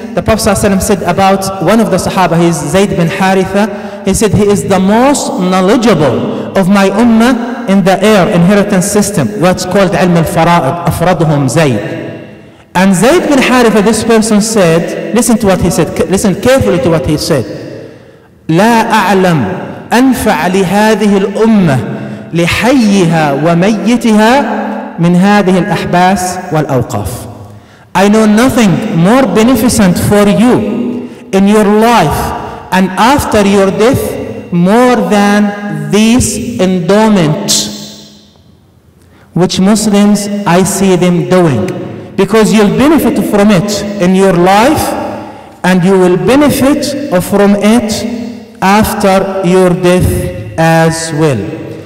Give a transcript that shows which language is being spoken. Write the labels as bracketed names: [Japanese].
[English] The Prophet said about one of the Sahaba, he is Zayd bin Haritha. He said, he is the most knowledgeable of my ummah in the heir inheritance system, what's called ilm al-fara'id, [Arabic] afradhum Zayd. [English] And Zayd bin Haritha, this person said, listen to what he said, listen carefully to what he said. [Arabic] لا أعلم أنفع لهذه الأمة لحيها وميتها من هذه الأحباس والأوقاف. [English] I know nothing more beneficent for you in your life and after your death more than this endowment, which Muslims I see them doing, because you'll benefit from it in your life and you will benefit from it after your death as well.